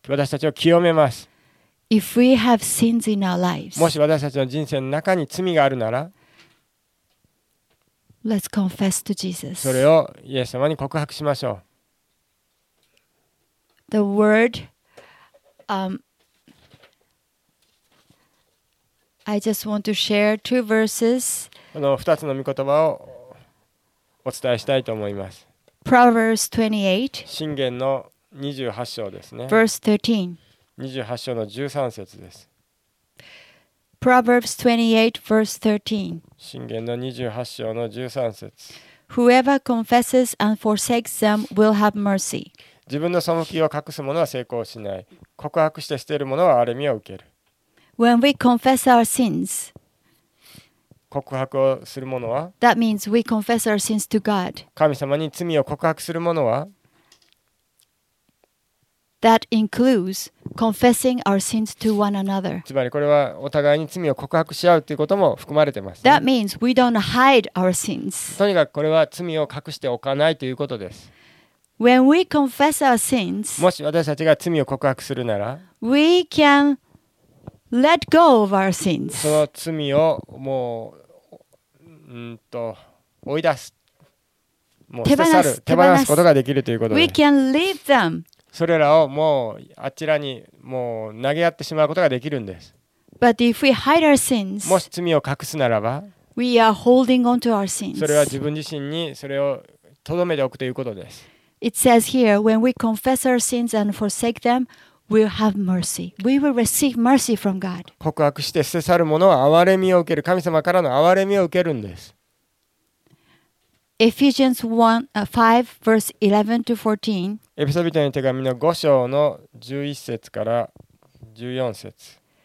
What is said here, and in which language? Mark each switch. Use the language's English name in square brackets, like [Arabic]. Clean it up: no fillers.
[Japanese] 私たちを清めます。 [English] If we have sins in our lives, [Japanese] もし私たちの人生の中に罪があるなら、 [English] Let's confess to Jesus. [Japanese] それをイエス様に告白しましょう。 [English] The word, I just want to share two verses. [Japanese] この二つの御言葉をお伝えしたいと思います。 [English] Proverbs 28, [Japanese] 箴言の28章ですね。 [English] Verse 13, [Japanese] 28章の13節です。 [English] Proverbs 28, verse 13, [Japanese] 箴言の28章の13節。 [English] Whoever confesses and forsakes them will have mercy. [Japanese] 自分の背きを隠す者は成功しない。告白して捨てる者は憐れみを受ける。 [English] When we confess our sins, [Japanese] 告白をする者は [English] That means we confess our sins to God. [Japanese] 神様に罪を告白する者は [English] That includes confessing our sins to one another. [Japanese] つまりこれはお互いに罪を告白し合うということも含まれてます、 [English] ね。That means we don't hide our sins. [Japanese] とにかくこれは罪を隠しておかないということです。 [English] When we confess our sins, [Japanese] もし私たちが罪を告白するなら [English] We canLet go of our sins. [Japanese] その罪をもう、追い出す、もう捨て去る、手放すことができるということで。 [English] We can leave them. [Japanese] それらをもうあちらにもう投げやってしまうことができるんです。 [English] But if we hide our sins, [Japanese] もし罪を隠すならば、 [English] we are holding on to our sins. [Japanese] それは自分自身にそれを留めておくということです。 [English] It says here, when we confess our sins and forsake them. We'll have mercy. We will receive mercy from God. [Japanese] 告白して捨て去る者は憐れみを受ける。神様からの憐れみを受けるんです。 [English] Ephesians 5, verse 11 to 14. [Japanese] エピソ人への手紙の5章の11節から14節。